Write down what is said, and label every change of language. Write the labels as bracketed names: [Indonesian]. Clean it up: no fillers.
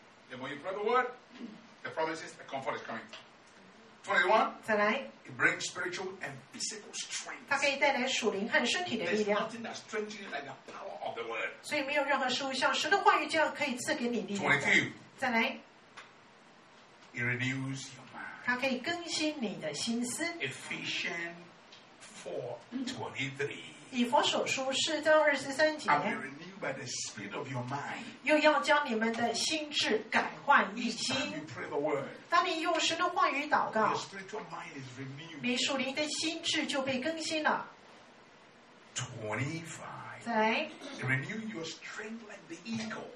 [English] Then when you pray the word, the promises, the comfort is coming. 21, [Chinese] 再来 [English] it brings spiritual and physical strength. [Chinese] 它可以带来属灵和身体的力量。 [English] There's nothing that strengthens you like the power of the word. [Chinese] 所以没有任何事物像神的话语这样可以赐给你力量。 [English] 22, [Chinese] 再来 [English] it renews your mind. [Chinese] 它可以更新你的心思。 [English] Ephesians 4:23. [Chinese] 以弗所书四章二十三节。 [English] I'll be renewed by the spirit of your mind. [Chinese] 又要将你们的心智改换一新。 [English] Each time you pray the word. [Chinese] 当你用神的话语祷告。 [English] Your spiritual mind is renewed. [Chinese] 你属灵的心智就被更新了。 [English] 25. [Chinese] 再来。 [English] Renew your strength like the eagle.